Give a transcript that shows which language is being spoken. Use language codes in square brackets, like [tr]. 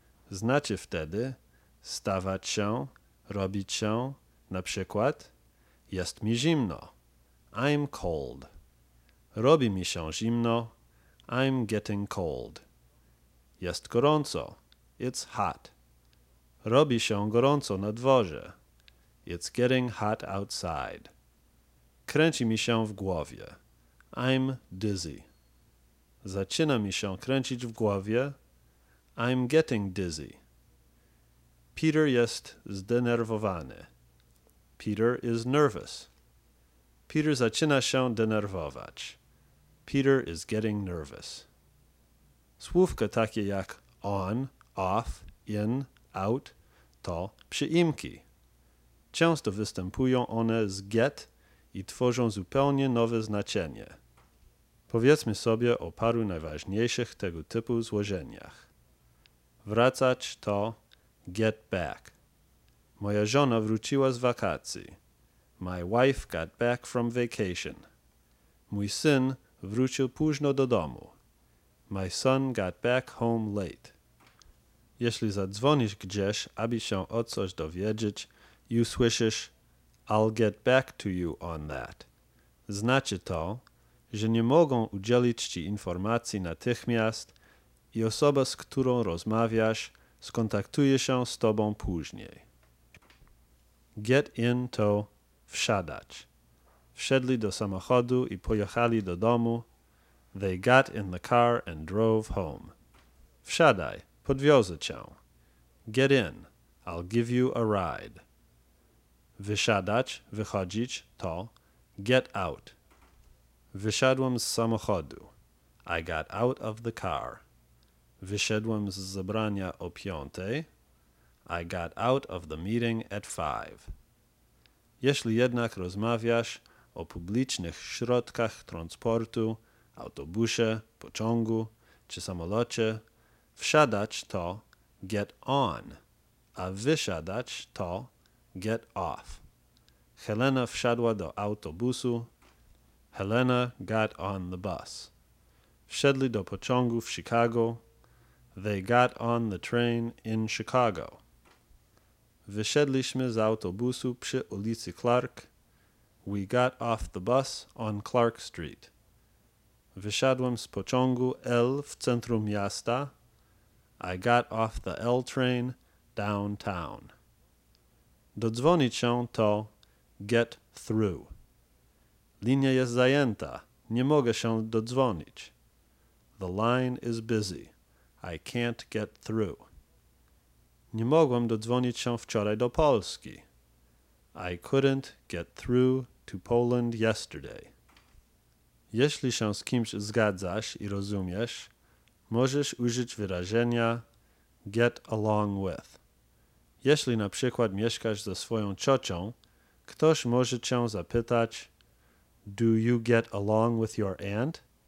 [pl] Znaczy wtedy stawać się, robić się, na przykład jest mi zimno. [en] I'm cold. [pl] Robi mi się zimno. [en] I'm getting cold. [pl] Jest gorąco. [en] It's hot. [pl] Robi się gorąco na dworze. [en] It's getting hot outside. [pl] Kręci mi się w głowie. [en] I'm dizzy. [pl] Zaczyna mi się kręcić w głowie. [en] I'm getting dizzy. [pl] Peter jest zdenerwowany. [en] Peter is nervous. [pl] Peter zaczyna się denerwować. [en] Peter is getting nervous. [pl] Słówka takie jak on, off, in, out to przyimki. Często występują one z get i tworzą zupełnie nowe znaczenie. Powiedzmy sobie o paru najważniejszych tego typu złożeniach. Wracać to get back. Moja żona wróciła z wakacji. [en] My wife got back from vacation. [pl] Mój syn wrócił późno do domu. [en] My son got back home late. [pl] Jeśli zadzwonisz gdzieś, aby się o coś dowiedzieć i usłyszysz [en] I'll get back to you on that. [pl] Znaczy to, że nie mogą udzielić ci informacji natychmiast i osoba, z którą rozmawiasz, skontaktuje się z tobą później. Get in to wsiadać. Wsiedli do samochodu i pojechali do domu. [en] They got in the car and drove home. [pl] Wsiadaj, podwiozę cię. [en] Get in, I'll give you a ride. [pl] Wysiadać, wychodzić, to get out. Wysiadłem z samochodu. [en] I got out of the car. [pl] Wysiadłem z zebrania o 5. [en] I got out of the meeting at 5. [pl] Jeśli jednak rozmawiasz o publicznych środkach transportu, autobusie, pociągu czy samolocie, wsiadać to get on, a wysiadać to get off. Helena wsiadła do autobusu. [en] Helena got on the bus. [pl] Wsiedli do pociągu w Chicago. [en] They got on the train in Chicago. [pl] Wysiedliśmy z autobusu przy ulicy Clark. [en] We got off the bus on Clark Street. [pl] Wysiadłem z pociągu L w centrum miasta. [en] I got off the L train downtown. [pl] Dodzwonić się to get through. Linia jest zajęta. Nie mogę się dodzwonić. [en] The line is busy. I can't get through. [pl] Nie mogłem dodzwonić się wczoraj do Polski. [en] I couldn't get through to Poland yesterday. [pl] Jeśli się z kimś zgadzasz i rozumiesz, możesz użyć wyrażenia get along with. Jeśli na przykład mieszkasz ze swoją ciocią, ktoś może cię zapytać, [en] do you get along with your aunt?